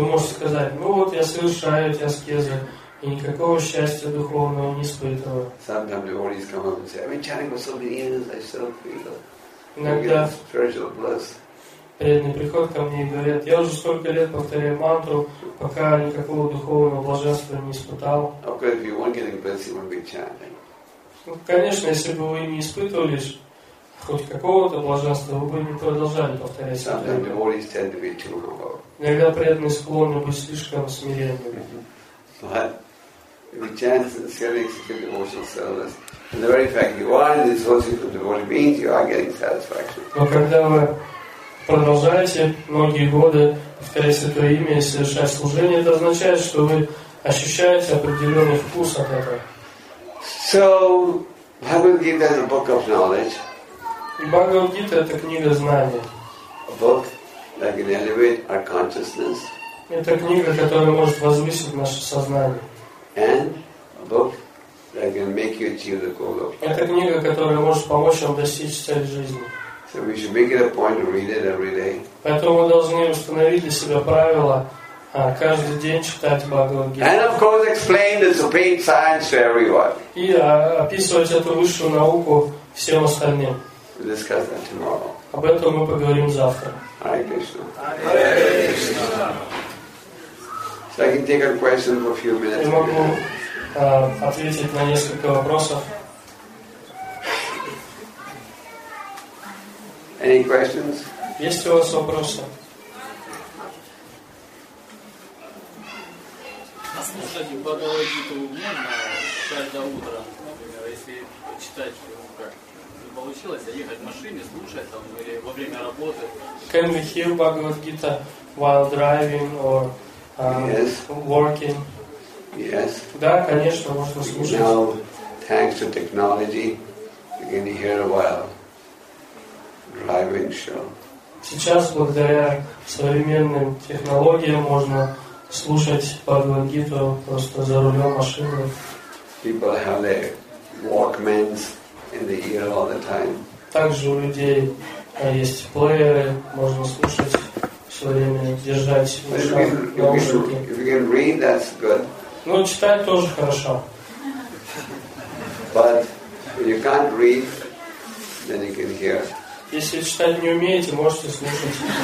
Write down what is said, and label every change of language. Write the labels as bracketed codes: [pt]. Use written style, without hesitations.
[ru] Вы можете сказать, ну вот я совершаю эти аскезы. И никакого счастья духовного не испытывал. [en] Sometimes devotees come up and say, "I've been chanting for so many years, I still feel spiritual bliss." [ru] Преданные приходят ко мне и говорят, "Я уже столько лет повторяю мантру, пока никакого духовного блаженства не испытал." [en] Okay, if you weren't getting bliss, you wouldn't be chanting. [ru] Ну, конечно, если бы вы не испытывали хоть какого-то блаженства, вы бы не продолжали повторять. [en] Sometimes devotees tend to be too humble. [ru] Иногда преданные склонны быть слишком смиренными. [en] But if you chant sincerely, execute devotional service, and the very fact you are in the association of devotees means you are getting satisfaction. [ru] Но когда вы продолжаете многие годы повторять святое имя и совершать служение, это означает, что вы ощущаете определенный вкус от этого. [en] So, Bhagavad Gita is a book of knowledge. [ru] И Бхагавад Гита это книга знаний. [en] A book that can elevate our consciousness. [ru] Это книга, которая может возвысить наше сознание. [en] And a book that can make you achieve the goal of. [ru] Это книга, которая может помочь вам достичь цели жизни. [en] So we should make it a point to read it every day. [ru] Поэтому мы должны установить для себя правило каждый день читать Бхагавад-гиту. [en] And of course, explain the supreme science to everyone. [ru] И описывать эту высшую науку всем остальным. [en] We'll discuss that tomorrow. [ru] Об этом мы поговорим завтра. [sa] Hare Krishna. Hare Krishna. [en] So I can take a question for a few minutes. [ru] Я могу ответить на несколько вопросов. [en] Any questions? [ru] Есть у вас вопросы? Послушайте, Бхагавад-гиту можно читать до утра, например, если почитать, как получилось, ехать в машине, слушать там или во время работы. [en] Can we hear Bhagavad-gita while driving or? Yes. Working. Yes. [ru] Да, конечно, можно слушать. [en] Now, thanks to technology, you can hear while driving. Sure. [ru] Сейчас благодаря современным технологиям можно слушать Бхагавад-гиту просто за рулем машины. [en] People have their Walkmans in the ear all the time. [ru] Также у людей есть плееры, можно слушать. [en] If you can read, that's good. [ru] Ну, читать тоже хорошо. [en] But if you can't read, then you can hear. [ru] Если читать не умеете, можете слушать.